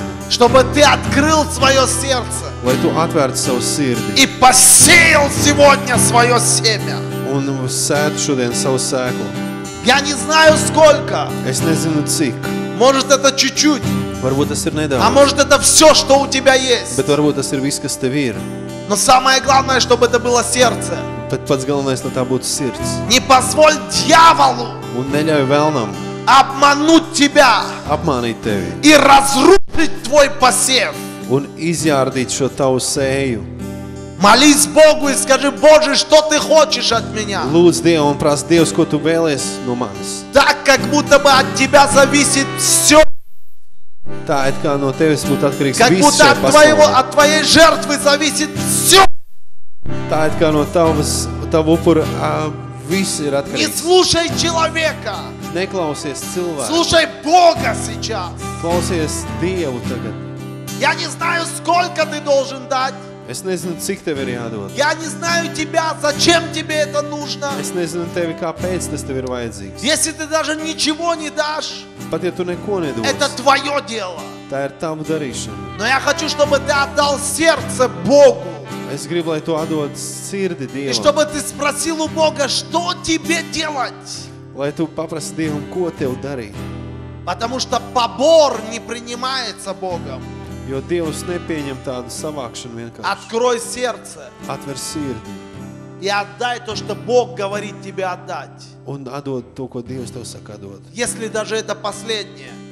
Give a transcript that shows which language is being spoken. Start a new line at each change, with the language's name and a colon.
Russian: Чтобы ты открыл свое сердце.
Latvian: Lai tu atvērtu savu sirdi.
Russian: И посеял сегодня свое семя.
Latvian: Un sēd šodien savu sēklu.
Russian: Я не знаю сколько.
Latvian: Es nezinu cik.
Russian: Может это чуть-чуть.
Latvian: Varbūt tas ir nedaudz.
Russian: А может это все, что у тебя есть.
Latvian: Bet varbūt tas ir viss, kas tev ir.
Russian: Но самое главное, чтобы это было сердце.
Latvian: Bet pats galvenais, lai tā būtu sirds.
Russian: Не позволь дьяволу.
Latvian: Un neļauj velnam.
Russian: Обмануть тебя. Обманить тебя. И разрушить твой посев.
Latvian: Un izjārdīt šo tavu sēju.
Russian: Молись Богу и скажи: Боже, что ты хочешь от меня?
Latvian: Lūdz Dievu un prasi Dievs, ko tu vēlies no manis.
Russian: Так как будто бы от тебя зависит все.
Latvian: Tā, it kā no tevis būtu atkarīgs viss.
Russian: Как будто от твоего, от твоей жертвы зависит все.
Latvian: Tā, it kā no tavas, tavu upuru, viss ir atkarīgs.
Russian: Не слушай человека.
Latvian: Neklausies cilvēku.
Russian: Слушай Бога сейчас.
Latvian: Klausies Dievu tagad.
Russian: Я не знаю, сколько ты должен дать.
Latvian: Es nezinu, cik tev ir jādod.
Russian: Я не знаю тебя, зачем тебе это нужно.
Latvian: Es nezinu tevi, kāpēc tas tev ir vajadzīgs.
Russian: Если ты даже ничего не дашь.
Latvian: Pat ja tu neko nedos.
Russian: Это твое дело.
Latvian: Tā ir tava darīšana.
Russian: Но я хочу, чтобы ты отдал сердце Богу.
Latvian: Es gribu, lai tu atdod sirdi Dievam.
Russian: И чтобы ты спросил у Бога, что тебе делать.
Latvian: Lai tu paprasti Dievam, ko tev darīt.
Russian: Потому что побор не принимается Богом.
Latvian: Jo Dievs nepieņem tādu savākšanu vienkārši. Atkroj sirdi. Atver sirdi.
Russian: И отдай то, что Бог говорит тебе отдать.
Latvian: Un atdod to, ko Dievs tev saka dot.
Russian: Если даже это последнее.